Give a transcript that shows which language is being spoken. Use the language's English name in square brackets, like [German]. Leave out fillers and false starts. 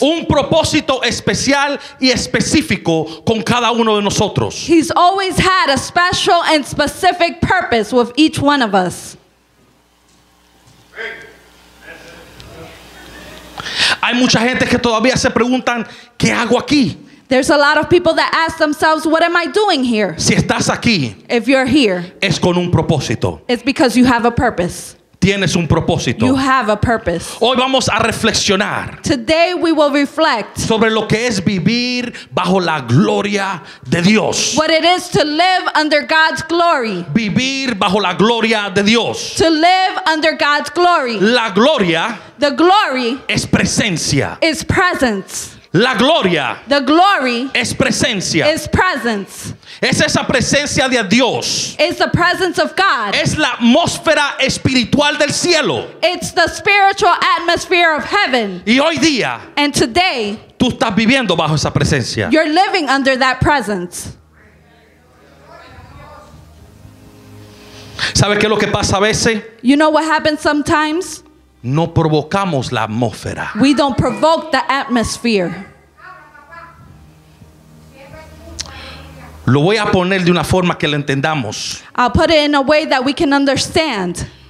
[Spanish] Un propósito especial y específico con cada uno de nosotros. [English] He's always had a special and specific purpose with each one of us. [Spanish] Hay mucha gente que todavía se preguntan, ¿qué hago aquí? [English] There's a lot of people that ask themselves, what am I doing here? [Spanish] Si estás aquí, [English] if you're here, [Spanish] es con un propósito. [English] It's because you have a purpose. [Spanish] Tienes un propósito. [English] You have a purpose. [Spanish] Hoy vamos a reflexionar. [English] Today we will reflect. [Spanish] Sobre lo que es vivir bajo la gloria de Dios. [English] What it is to live under God's glory. [Spanish] Vivir bajo la gloria de Dios. [English] To live under God's glory. [Spanish] La gloria. [English] The glory. [Spanish] Es presencia. [English] Is presence. [Spanish] La gloria. [English] The glory. [Spanish] Es presencia. [English] Is presence. [Spanish] Es esa presencia de Dios. [English] It's the presence of God. [Spanish] Es la atmósfera espiritual del cielo. [English] It's the spiritual atmosphere of heaven. [Spanish] Y hoy día. [English] And today. [Spanish] Tú estás viviendo bajo esa presencia. [English] You're living under that presence. [Spanish] ¿Sabes qué es lo que pasa a veces? [English] You know what happens sometimes? [Spanish] No provocamos la atmósfera. [English] We don't provoke the atmosphere. [Spanish] Lo voy a poner de una forma que lo entendamos. [English] I'll put it in a way that we can understand.